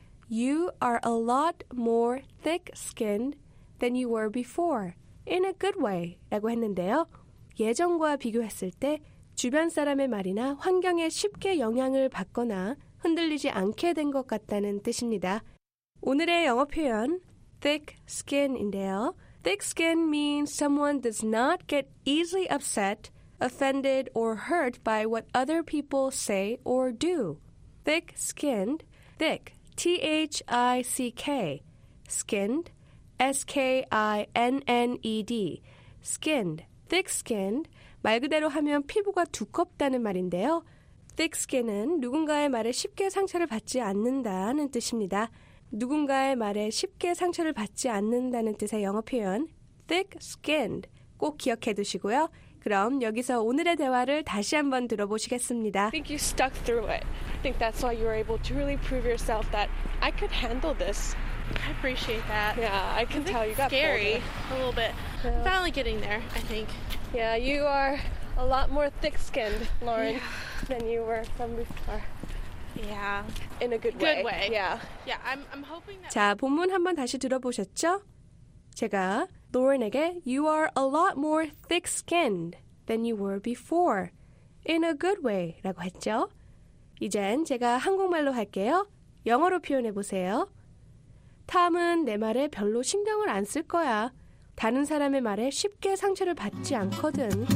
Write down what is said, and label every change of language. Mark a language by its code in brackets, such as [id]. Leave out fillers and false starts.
[en] You are a lot more thick-skinned than you were before. In a good way. [ko] 라고 했는데요. 예전과 비교했을 때 주변 사람의 말이나 환경에 쉽게 영향을 받거나 흔들리지 않게 된 것 같다는 뜻입니다. 오늘의 영어 표현, thick skin인데요. [en] Thick skin means someone does not get easily upset, offended, or hurt by what other people say or do. Thick skinned, thick, T-H-I-C-K, skinned, S-K-I-N-N-E-D, skinned, thick skinned, [ko] 말 그대로 하면 피부가 두껍다는 말인데요. Thick skin은 누군가의 말에 쉽게 상처를 받지 않는다는 뜻입니다. 누군가의 말에 쉽게 상처를 받지 않는다는 뜻의 영어 표현, thick skinned, 꼭 기억해 두시고요. 그럼 여기서 오늘의 대화를 다시 한번 들어보시겠습니다. [en] I think you stuck through it. I think that's why you were able to really prove yourself that I could handle this. I appreciate that. Yeah, I can tell you got bolder. Scary, a little bit. So, finally getting there, I think. Yeah, you are a lot more thick-skinned, Lauren, yeah. than you were from before. Yeah. In a good way. Good way. Yeah. Yeah, I'm hoping that... [ko] 자, 본문 한번 다시 들어보셨죠? 제가... [en] Lauren에게 you are a lot more thick-skinned than you were before, in a good way [ko] 라고 했죠. 이젠 제가 한국말로 할게요. 영어로 표현해 보세요. 탐은 내 말에 별로 신경을 안 쓸 거야. 다른 사람의 말에 쉽게 상처를 받지 않거든.